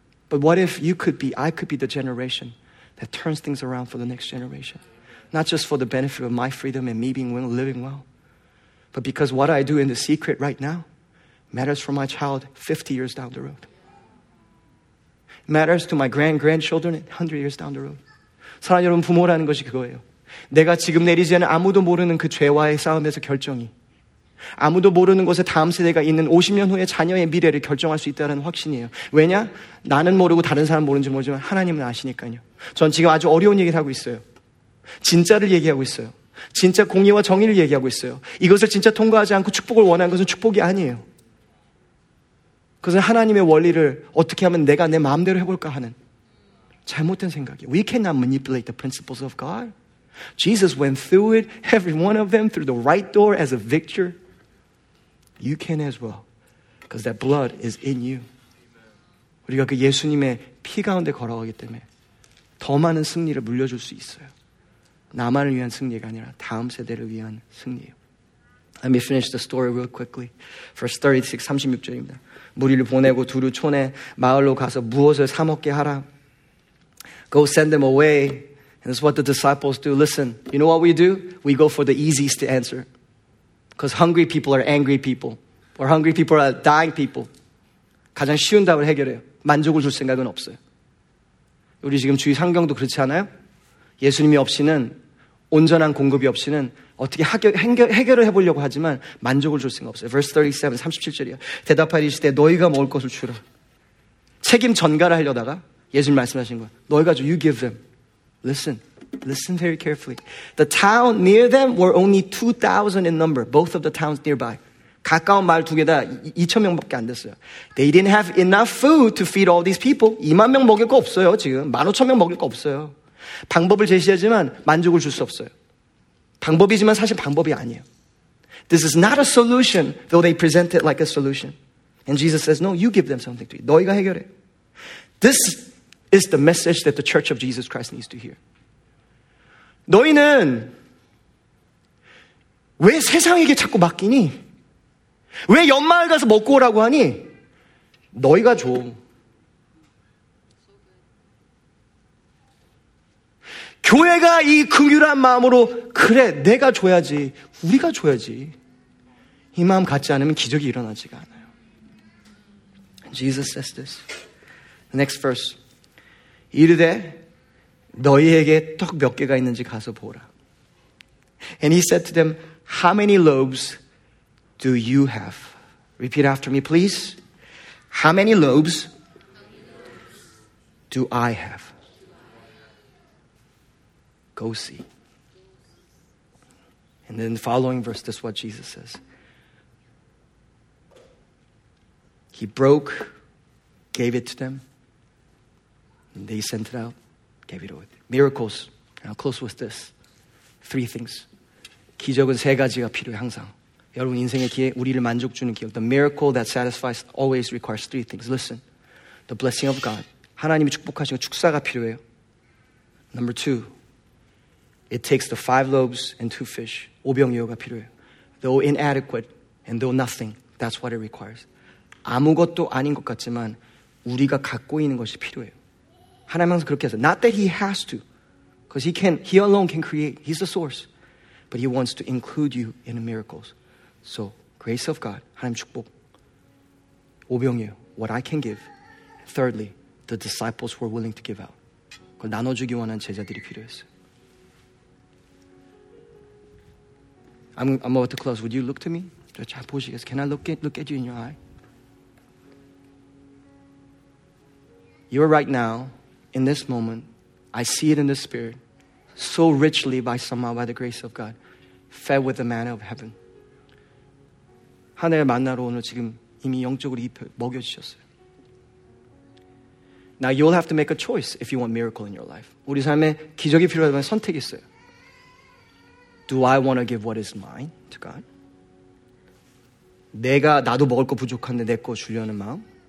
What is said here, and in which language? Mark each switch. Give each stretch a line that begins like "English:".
English: But what if you could be, I could be the generation that turns things around for the next generation? Not just for the benefit of my freedom and me being well, living well, but because what I do in the secret right now matters for my child 50 years down the road. Matters to my grandchildren 100 years down the road.
Korean: 사랑하는 여러분, 부모라는 것이 그거예요. 내가 지금 내리지 않은 아무도 모르는 그 죄와의 싸움에서 결정이 아무도 모르는 곳에 다음 세대가 있는 50년 후에 자녀의 미래를 결정할 수 있다는 확신이에요. 왜냐? 나는 모르고 다른 사람 모르는지 모르지만 하나님은 아시니까요. 전 지금 아주 어려운 얘기를 하고 있어요. 진짜를 얘기하고 있어요. 진짜 공의와 정의를 얘기하고 있어요. 이것을 진짜 통과하지 않고 축복을 원하는 것은 축복이 아니에요. 그것은 하나님의 원리를 어떻게 하면 내가 내 마음대로 해볼까 하는 잘못된 생각이에요.
English: We cannot manipulate the principles of God. Jesus went through it, every one of them, through the right door as a victor. You can as well, because that blood is in you.
Korean: 우리가 그 예수님의 피 가운데 걸어가기 때문에 더 많은 승리를 물려줄 수 있어요. 나만을 위한 승리가 아니라 다음 세대를 위한 승리예요.
English: Let me finish the story real quickly. Verse 36,
Korean: 36절입니다. 무리를 보내고 두루 촌에 마을로 가서 무엇을 사 먹게 하라.
English: Go send them away. And this is what the disciples do. Listen, you know what we do? We go for the easiest answer. Because hungry people are angry people. Or hungry people are dying people.
Korean: 가장 쉬운 답을 해결해요. 만족을 줄 생각은 없어요. 우리 지금 주위 환경도 그렇지 않아요? 예수님이 없이는, 온전한 공급이 없이는 어떻게 해결을 해보려고 하지만 만족을 줄 생각 없어요.
English: Verse 37,
Korean: 37절이요. 대답하리 시대 너희가 먹을 것을 주라. 책임 전가를 하려다가 예수님 말씀하신 거예요. 너희가 줘,
English: you give them. Listen very carefully. The town near them were only 2,000 in number, both of the towns nearby.
Korean: 가까운 마을 두 개 다 2,000명밖에 안 됐어요.
English: They didn't have enough food to feed all these people.
Korean: 2만 명 먹일 거 없어요, 지금. 15,000명 먹일 거 없어요. 방법을 제시하지만 만족을 줄 수 없어요. 방법이지만 사실 방법이 아니에요.
English: This is not a solution, though they present it like a solution. And Jesus says, no, you give them something to eat.
Korean: 너희가 해결해.
English: This is the message that the church of Jesus Christ needs to hear.
Korean: 너희는 왜 세상에게 자꾸 맡기니? 왜 연마을 가서 먹고 오라고 하니? 너희가 줘. 교회가 이 긍휼한 마음으로 그래 내가 줘야지 우리가 줘야지 이 마음 갖지 않으면 기적이 일어나지가 않아요.
English: Jesus says this. The next verse.
Korean: 이르되 너희에게 떡 몇 개가 있는지 가서 보라.
English: And he said to them, how many loaves do you have? Repeat after me, please. How many loaves do I have? Go see. And then the following verse, this is what Jesus says. He broke, gave it to them, and they sent it out, gave it away. Miracles. And I'll close with this. Three things.
Korean: 기적은 세 가지가 필요해, 항상. 여러분 인생의 기회, 우리를 만족 주는 기회.
English: The miracle that satisfies always requires three things. Listen. The blessing of God.
Korean: 하나님이 축복하신 거 축사가 필요해요.
English: Number two. It takes the five loaves and two fish.
Korean: 오병이어가 필요해요.
English: Though inadequate and though nothing, that's what it requires.
Korean: 아무것도 아닌 것 같지만 우리가 갖고 있는 것이 필요해요. 하나님 항상 그렇게 해서.
English: Not that he has to. Because he alone can create. He's the source. But he wants to include you in the miracles. So, grace of God.
Korean: 하나님 축복. 오병이어.
English: What I can give. Thirdly, the disciples were willing to give out.
Korean: 그걸 나눠주기 원하는 제자들이 필요했어요.
English: I'm about to close. Would you look to me? Can I look at you in your eye? You're right now, in this moment, I see it in the spirit, so richly by somehow, by the grace of God, fed with the manna of heaven.
Korean: 하늘의 만나로 오늘 지금 이미 영적으로 먹여주셨어요.
English: Now you'll have to make a choice if you want miracle in your life.
Korean: 우리 삶에 기적이 필요하다면 선택이 있어요.
English: Do I want to give what is mine to God?
Korean: 내가 나도 먹을 거 부족한데 내 거 주려는 마음.